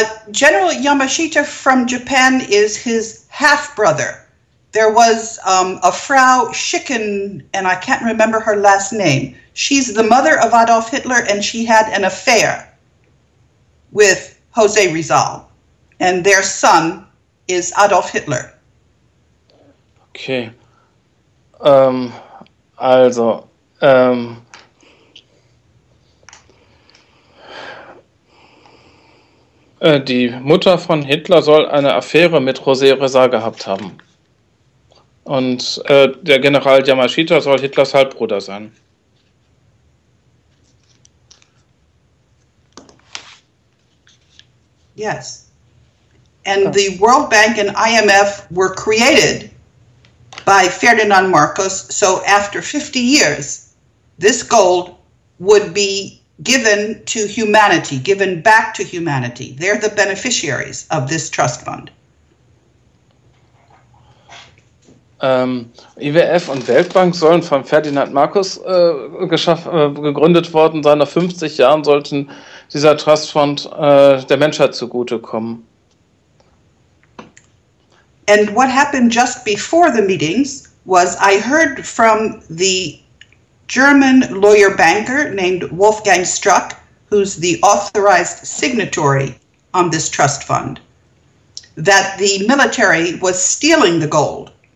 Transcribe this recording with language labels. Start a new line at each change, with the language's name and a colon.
English: General Yamashita from Japan is his half-brother. There was a Frau Schicken, and I can't remember her last name. She's the mother of Adolf Hitler, and she had an affair with Jose Rizal. And their son is Adolf Hitler.
German: Okay, die Mutter von Hitler soll eine Affäre mit José Rezar gehabt haben. Und der General Yamashita soll Hitlers Halbbruder sein.
English: Yes, and the World Bank and IMF were created by Ferdinand Marcos, so after 50 years, this gold would be given to humanity, given back to humanity. They're the beneficiaries of this trust fund.
German: IWF und Weltbank sollen von Ferdinand Marcos gegründet worden sein. Nach 50 Jahren sollten dieser Trust Fund der Menschheit zugutekommen.
English: And what happened just before the meetings was I heard from the German lawyer banker named Wolfgang Struck, who's the authorized signatory on this trust fund, that the military was stealing the gold.